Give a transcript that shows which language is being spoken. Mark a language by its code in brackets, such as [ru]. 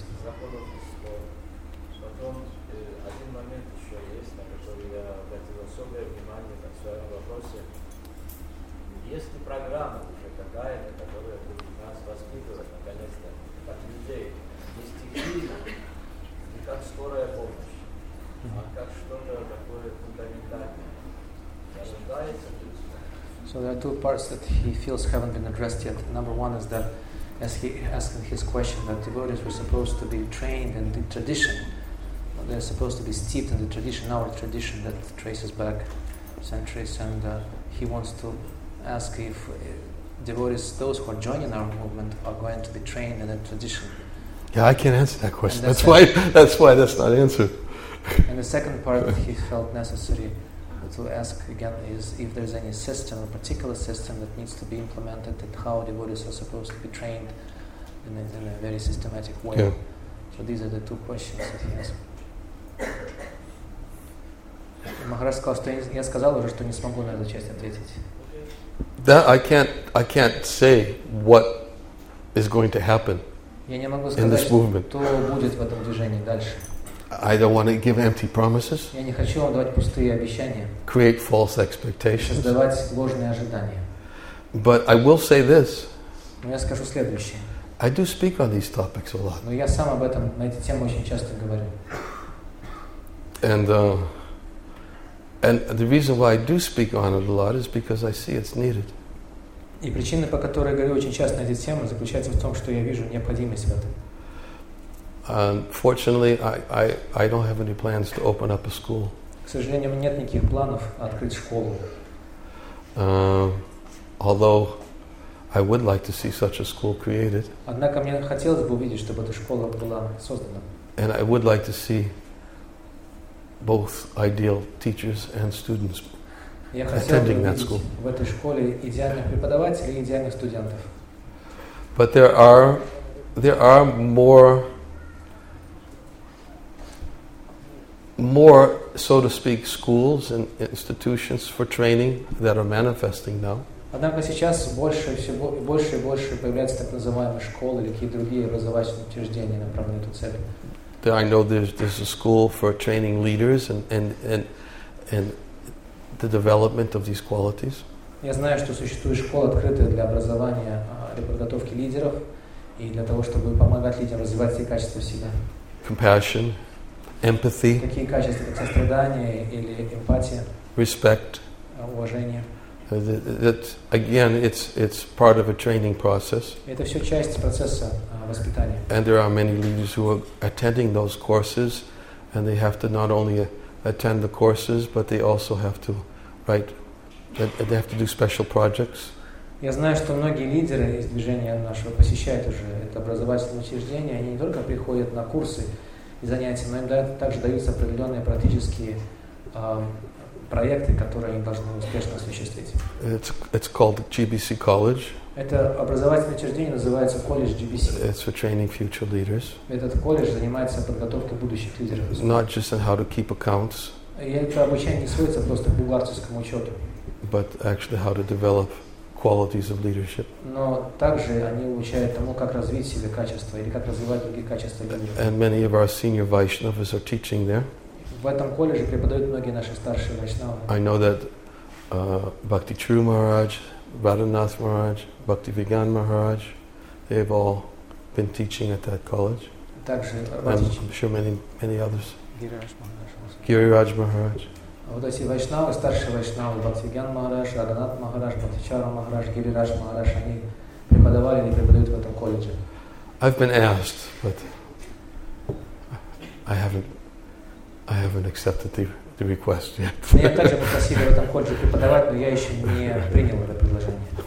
[ru] Потом один момент еще есть, на который я обратил особое внимание в своем вопросе. Есть ли программа уже какая-то, которая будет нас воспитывать наконец-то, как людей, не стихийно, не как скорая помощь, а как что-то такое фундаментальное? Ожидается ли? [en] So there are two parts that he feels haven't been addressed yet. Number one is that as he asked his question, that devotees were supposed to be trained in the tradition. They're supposed to be steeped in the tradition, our tradition that traces back centuries. And he wants to ask if devotees, those who are joining our movement, are going to be trained in the tradition. Yeah, I can't answer that question. That's why that's not answered. And the second part that he felt necessary to ask again is if there's any system, a particular system that needs to be implemented, and how devotees are supposed to be trained in a very systematic way. Yeah. So these are the two questions that he asked. [ru] Maharaj сказал, что я сказал уже, что не смогу на эту часть ответить. [en] That I can't say what is going to happen in this movement. [ru] Я не могу сказать, что будет в этом движении дальше. [en] I don't want to give empty promises. [ru] Я не хочу вам давать пустые обещания. [en] Create false expectations. [ru] Создавать ложные ожидания. [en] But I will say this. [ru] Но я скажу следующее. [en] I do speak on these topics a lot. [ru] Но я сам об этом на эти темы очень часто говорю. [en] And the reason why I do speak on it a lot is because I see it's needed. [ru] И причина, по которой я говорю очень часто на эти темы, заключается в том, что я вижу необходимость в этом. [en] Unfortunately, I don't have any plans to open up a school. [ru] К сожалению, у меня нет никаких планов открыть школу. [en] Although I would like to see such a school created. [ru] Однако мне хотелось бы увидеть, чтобы эта школа была создана. [en] And I would like to see both ideal teachers and students attending that school. [ru] Я хотел бы увидеть в этой школе идеальных преподавателей и идеальных студентов. [en] But there are more, so to speak, schools and institutions for training that are manifesting now. [ru] Однако сейчас больше и, больше и больше появляются так называемые школы или какие-то другие образовательные учреждения, направленные на эту цель. [en] I know there's a school for training leaders and the development of these qualities. [ru] Я знаю, что существует школа, открытая для образования, для подготовки лидеров и для того, чтобы помогать лидерам развивать все качества в себе. [en] Compassion, empathy. [ru] Какие качества, как сострадание или эмпатия? [en] Respect. [ru] Уважение. [en] That again, it's part of a training process. [ru] Это все часть процесса воспитания. [en] And there are many leaders who are attending those courses, and they have to not only attend the courses, but they also have to write. They have to do special projects. [ru] Я знаю, что многие лидеры из движения нашего посещают уже это образовательное учреждение. Они не только приходят на курсы и занятия, но им также даются определенные практические проекты, которые они должны успешно осуществить. [en] It's called GBC College. [ru] Это образовательное учреждение называется колледж GBC. [en] It's for training future leaders. [ru] Этот колледж занимается подготовкой будущих лидеров. [en] Not just on how to keep accounts. [ru] И это обучение не сводится просто к бухгалтерскому учету. [en] But actually how to develop qualities of leadership. [ru] Но также они учат тому, как развить себе качества или как развивать другие качества лидера. [en] And many of our senior Vaishnavas are teaching there. [ru] В этом колледже преподают многие наши старшие вайшнавы. [en] I know that Bhakti Tru Maharaj, Radhanath Maharaj, Bhakti Vigan Maharaj, they've all been teaching at that college. [ru] Также [en] I'm sure many others. Giriraj Maharaj. [ru] Вот эти вайшнавы, старшие вайшнавы, Бхакти Виган Махарадж, Раганат Махарадж, Бхакти Чара Махарадж, Гирирадж Махарадж, они преподавали или преподают в этом колледже. [en] I've been asked, but I haven't accepted the request yet. [ru] Меня также попросили в этом колледже преподавать, но я еще не принял это предложение.